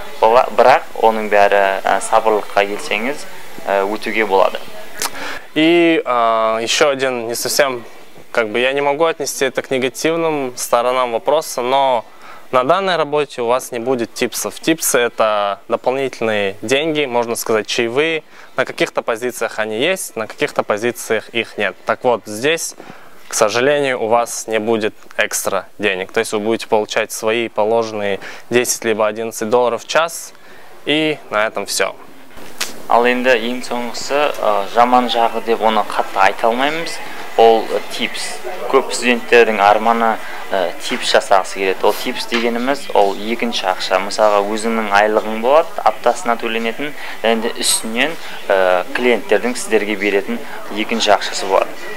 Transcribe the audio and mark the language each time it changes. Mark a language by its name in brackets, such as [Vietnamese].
[Kazakh] Бірақ оның бәрі сабырлыққа келсеңіз өтуге болады. [Russian] И еще один не совсем, как бы я не могу отнести это к негативным сторонам вопроса, но на данной работе у вас не будет типсов. Типсы – это дополнительные деньги, можно сказать, чаевые. На каких-то позициях они есть, на каких-то позициях их нет. Так вот, здесь, к сожалению, у вас не будет экстра денег. То есть вы будете получать свои положенные 10 либо 11 долларов в час, и на этом все. [Kazakh] Ал енді ең соңғысы жаман жағы деп оны қатты айта алмаймыз, ол типс. Көп студенттердің арманы типс жасағысы келеді. Ол типс дегеніміз ол екінші ақша. Мысалға өзіңнің айлығың болады, аптасына төленетін, енді үстінен клиенттердің сіздерге беретін екінші ақшасы болады.